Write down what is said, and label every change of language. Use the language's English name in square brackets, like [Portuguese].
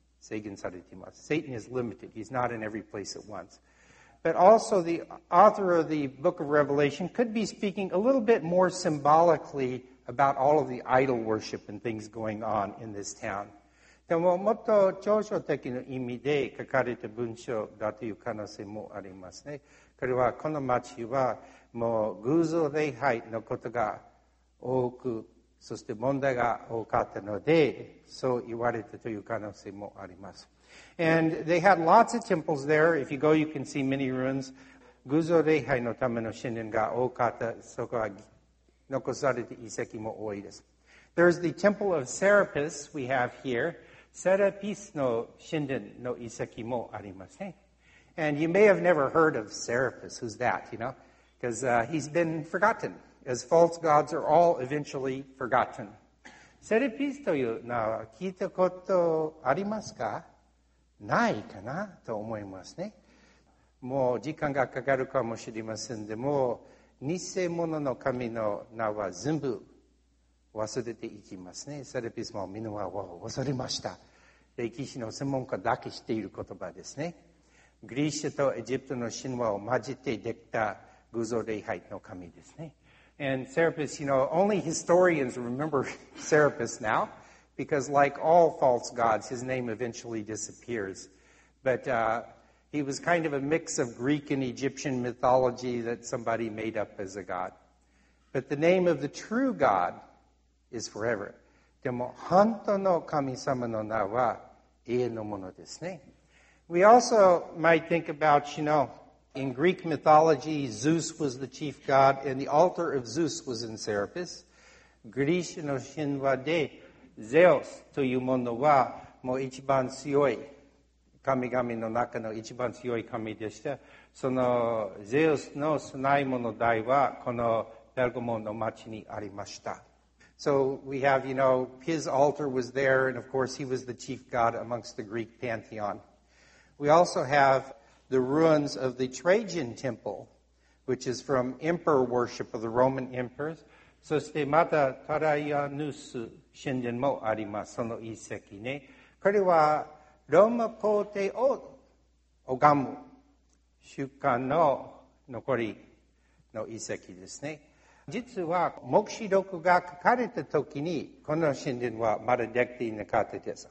[Japanese] 制限されています。 [English] Satan is limited. He's not in every place at once. But also the author of the book of Revelation could be speaking a little bit more symbolically about all of the idol worship and things going on in this town. [Japanese] でも、もっと抽象的な意味で書かれた文章だという可能性もありますね。これは、この町はもう偶像礼拝のことが多く、そして問題が多かったので、そう言われたという可能性もあります。 [English] And they had lots of temples there. If you go, you can see many ruins. [Japanese] 偶像礼拝のための神殿が多かった。そこは残されて遺跡も多いです。 [English] There's the temple of Serapis we have here. [Japanese] セラピスの神殿の遺跡もありますね。 [English] And you may have never heard of Serapis. Who's that, you know? Because he's been forgotten, as false gods are all eventually forgotten. [Japanese] セラピスという名は聞いたことありますか？ないかなと思いますね。もう時間がかかるかもしれませんでも、偽物の神の名は全部忘れていきますね。セレピスもみんなは恐れました。歴史の専門家だけ知っている言葉ですね。ギリシャとエジプトの神話を混じってできた偶像礼拝の神ですね。 [English] And Serapis, you know, only historians remember Serapis now, because like all false gods, his name eventually disappears. But he was kind of a mix of Greek and Egyptian mythology that somebody made up as a god. But the name of the true God is forever. [Japanese] でも本当の神様の名は永遠のものですね。 [English] We also might think about, you know, in Greek mythology, Zeus was the chief god, and the altar of Zeus was in Serapis. [Japanese] ギリシャの神話で、ゼウスというものはもう一番強い、神々の中の一番強い神でした。そのゼウスの供え物台はこのペルゴモの町にありました。 [English] So we have, you know, his altar was there, and of course he was the chief god amongst the Greek pantheon. We also have the ruins of the Trajan Temple, which is from emperor worship of the Roman emperors. [Japanese] そしてまたトライアヌス神殿もあります。その遺跡ね。これはローマ皇帝を拝む習慣の残りの遺跡ですね。実は黙示録が書かれた時にこの神殿はまだできていなかったです。